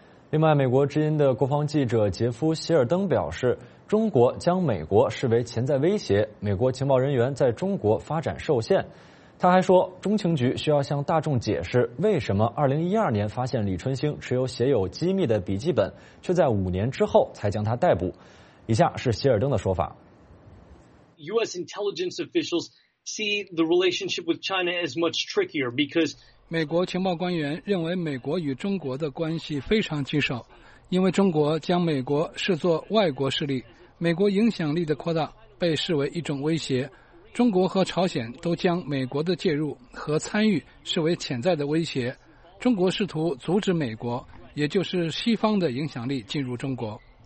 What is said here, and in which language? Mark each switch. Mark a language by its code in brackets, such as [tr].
[zh] 另外，美国之音的国防记者杰夫·希尔登表示，中国将美国视为潜在威胁，美国情报人员在中国发展受限。他还说，中情局需要向大众解释为什么2012年发现李春兴持有写有机密的笔记本，却在五年之后才将他逮捕。以下是希尔登的说法。 [en] US intelligence officials see the relationship with China as much trickier because [zh] 美国情报官员认为美国与中国的关系非常棘手，因为中国将美国视作外国势力，美国影响力的扩大被视为一种威胁，中国和朝鲜都将美国的介入和参与视为潜在的威胁，中国试图阻止美国，也就是西方的影响力进入中国。